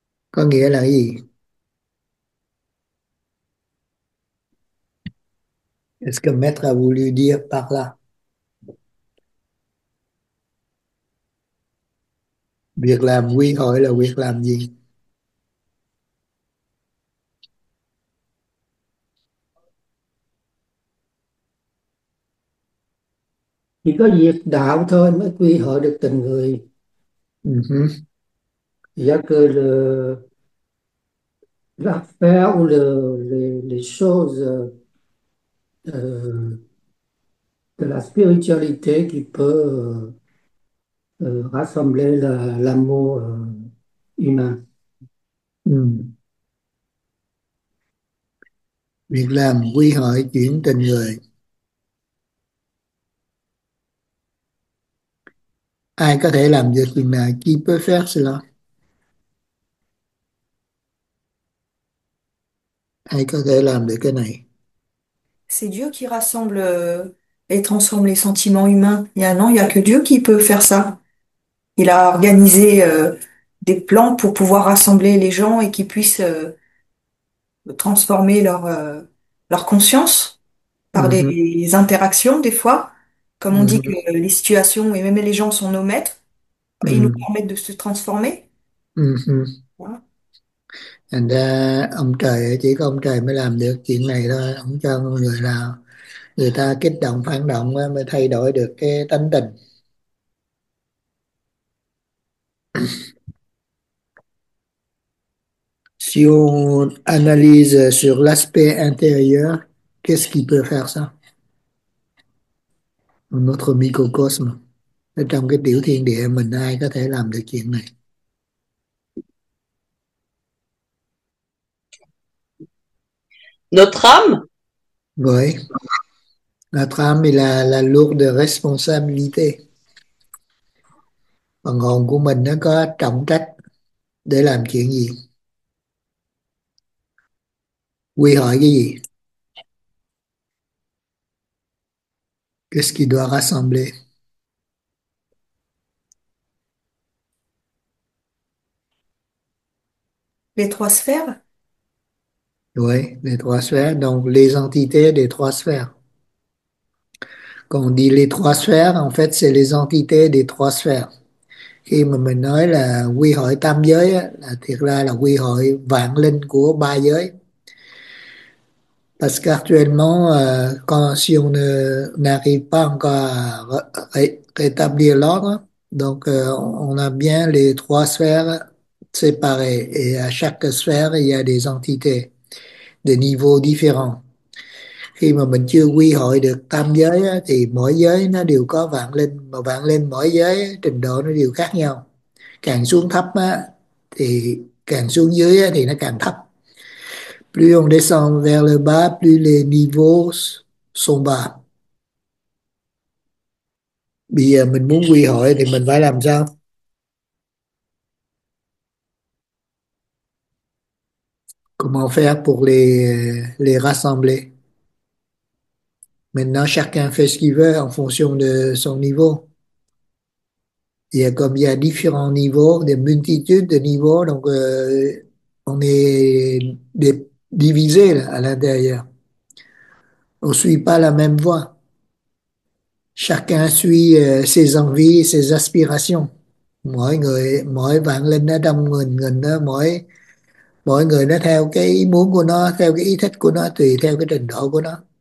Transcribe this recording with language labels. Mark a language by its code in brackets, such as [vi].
[vi] Có nghĩa là gì? [fr] Est-ce que maître a voulu dire par là? [vi] Việc làm quy hội là việc làm gì? Chỉ có việc đạo thôi mới quy hội được tình người. Giá cơ là [fr] la faire les choses de la spiritualité qui peut rassembler l'amour humain. [vi] Việc làm quy hội chuyển tình người. Ai có thể làm việc gì mà [fr] qui peut faire cela? [vi] Ai có thể làm được cái này? [fr] C'est Dieu qui rassemble et transforme les sentiments humains. Il y a, non, il n'y a que Dieu qui peut faire ça. Il a organisé des plans pour pouvoir rassembler les gens et qu'ils puissent transformer leur conscience par des interactions, des fois. Comme on dit que les situations et même les gens sont nos maîtres, ils nous permettent de se transformer. Voilà. [vi] Ông trời, chỉ có ông trời mới làm được chuyện này thôi. Ông cho người nào người ta kích động phản động mới thay đổi được cái tánh tình. [fr] Si on analyse sur l'aspect intérieur, qu'est-ce qui peut faire ça? Notre microcosme. [vi] Ở trong cái tiểu thiên địa mình, ai có thể làm được chuyện này? [fr] Notre Oui. Notre âme est la lourde responsabilité. [vi] Phần hồn của mình nó có trọng trách để làm chuyện gì? Quy hội cái gì? [fr] Qu'est-ce qui doit rassembler? les trois sphères. Oui, les trois sphères, donc les entités des trois sphères. Quand on dit les trois sphères, en fait, c'est les entités des trois sphères. [vi] Khi mà mình nói là quy hội tam giới, là thiệt ra là quy hội vạn linh của ba giới. [fr] Parce qu'actuellement, quand si on n'arrive pas encore à rétablir l'ordre, donc on a bien les trois sphères séparées. Et à chaque sphère, il y a des entités, des niveaux différents. [vi] Khi mà mình chưa quy hội được tam giới, thì mỗi giới nó đều có vạn linh. Mà vạn linh mỗi giới, trình độ nó đều khác nhau. Càng xuống thấp, thì càng xuống dưới thì nó càng thấp. [fr] Plus on descend vers le bas, plus les niveaux sont bas. [vi] Bây giờ mình muốn quy hội thì mình phải làm sao? [fr] Comment faire pour les rassembler? Maintenant, chacun fait ce qu'il veut en fonction de son niveau. Il y a comme il y a différents niveaux, des multitudes de niveaux, donc on est divisé à l'intérieur. On ne suit pas la même voie. Chacun suit ses envies, ses aspirations. [vi] Mỗi người, mỗi bạn lên đó đông người, người đó, mỗi mỗi người nó theo cái ý muốn của nó, theo cái ý thích của nó, tùy theo cái trình độ của nó.